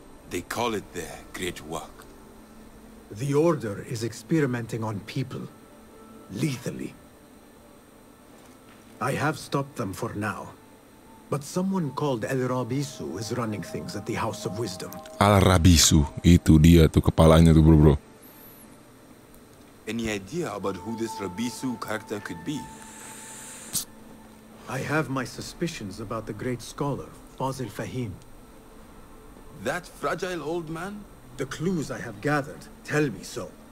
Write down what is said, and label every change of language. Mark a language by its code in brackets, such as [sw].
[en] They call it their great work. The Order is experimenting on people. Lethally. I have stopped them for now. But someone called El Rabisu is running things at the House of Wisdom. [id] Al Rabisu, itu dia tuh kepalanya tuh bro. [en] Any idea about who this Rabisu character could be? I have my suspicions about the great scholar, Fazil Fahim. That fragile old man? The clues I have gathered tell me so.